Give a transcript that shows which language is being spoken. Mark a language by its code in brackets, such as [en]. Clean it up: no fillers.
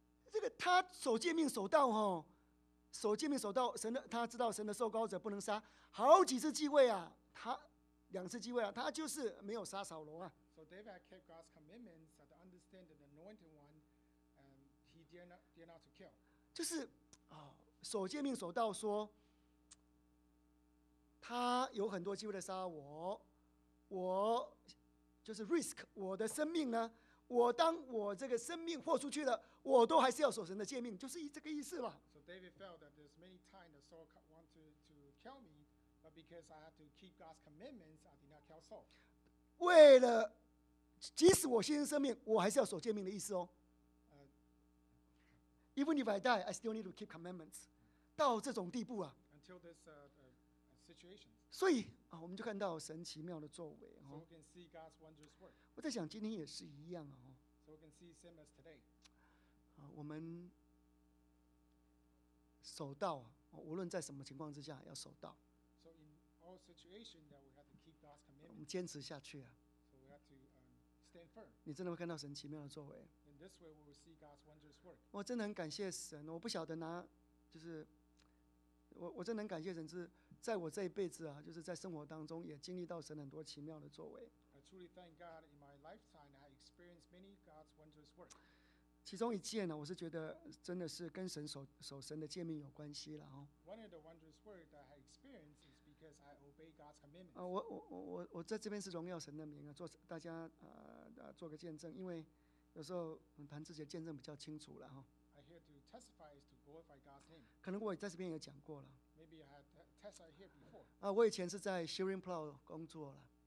[zh] 这个他守诫命守到吼，守诫命守到神的，他知道神的受膏者不能杀，好几次机会啊，他两次机会啊，他就是没有杀扫罗啊。 [en] So David kept God's commandments and understand the anointed one, and he dare not to kill. [zh] 就是哦，守诫命守到说，他有很多机会的杀我，我就是 risk 我的生命呢。我当我这个生命豁出去了，我都还是要守神的诫命，就是这个意思了。 [en] So David felt that there's many times that Saul wanted to kill me, but because I had to keep God's commandments, I did not kill Saul. [zh] 为了即使我牺牲生命，我还是要守诫命的意思哦。 [en] Even if I die, I still need to keep commandments. [zh] 到这种地步啊。 [en] Until this situation. [zh] 所以啊，我们就看到神奇妙的作为。 [en] So we can see God's wondrous work. [zh] 我在想，今天也是一样哦。 [en] So we can see same as today. [zh] 我们守道，无论在什么情况之下，要守道。 [en] So in all situations that we have to keep God's commandment. [zh] 我们坚持下去啊。 [en] So we have to stand firm. [zh] 你真的会看到神奇妙的作为。 [en] In this way, we will see God's wondrous work. [zh] 我真的很感谢神，我不晓得就是我真的很感谢神，是在我这一辈子啊，就是在生活当中也经历到神很多奇妙的作为。 [en] Truly thank God in my lifetime I experienced many God's wondrous work. [zh] 其中一件呢，我是觉得真的是跟神守神的诫命有关系了哦。 [en] One of the wondrous work that I experienced is because I obey God's commandments. [zh] 我在这边是荣耀神的名啊，做大家做个见证，因为有时候我谈自己的见证比较清楚了哈。 [en] I here to testify is to glorify God's name. [zh] 可能我在这边也讲过了。 [en] Maybe I had testified here before. [zh] 我以前是在 Shearing Plow 工作了。